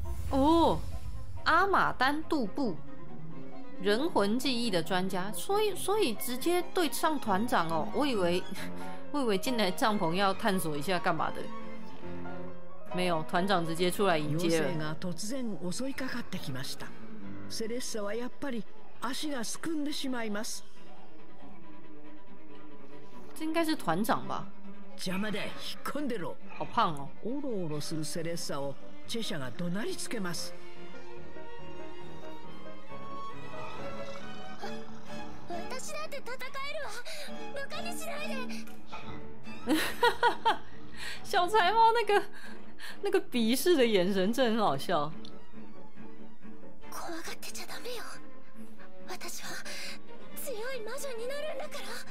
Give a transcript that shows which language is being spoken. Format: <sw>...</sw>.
<zh>哦，阿玛丹杜布，人魂记忆的专家，所以直接对上团长哦，我以为进来帐篷要探索一下干嘛的，没有，团长直接出来迎接了。</zh> <ja>妖精が突然襲いかかってきました。セレッサはやっぱり足がすくんでしまいます。</ja> <zh>这应该是团长吧？</zh> <ja>邪魔で引っ込んでろ。</ja> <zh>好胖哦。</zh> <ja>オロオロするセレッサをチェシャが怒鳴りつけます。私だって戦えるわ。馬鹿にしないで。</ja> <zh>小柴猫那个鄙视的眼神真很好笑。</zh> <ja>怖がってちゃダメよ。私は強い魔女になるんだから。</ja>